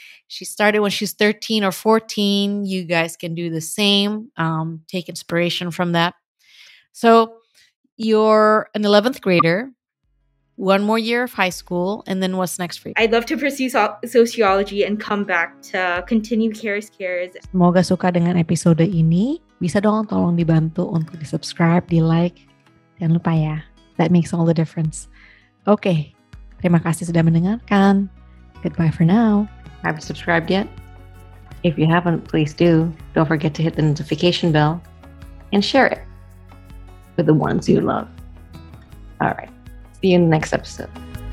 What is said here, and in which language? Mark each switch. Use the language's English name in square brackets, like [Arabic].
[English] She started when she's 13 or 14. You guys can do the same. Take inspiration from that. So you're an 11th grader, one more year of high school, and then what's next for you? I'd love to pursue sociology and come back to continue Karis Karis. [Indonesian] Semoga suka dengan episode ini. Bisa dong tolong dibantu untuk di-subscribe, di-like. Jangan lupa ya, [English] that makes all the difference. Okay, [Indonesian] terima kasih sudah mendengarkan. [English] Goodbye for now. Have you subscribed yet? If you haven't, please do. Don't forget to hit the notification bell and share it with the ones you love. All right, see you in the next episode.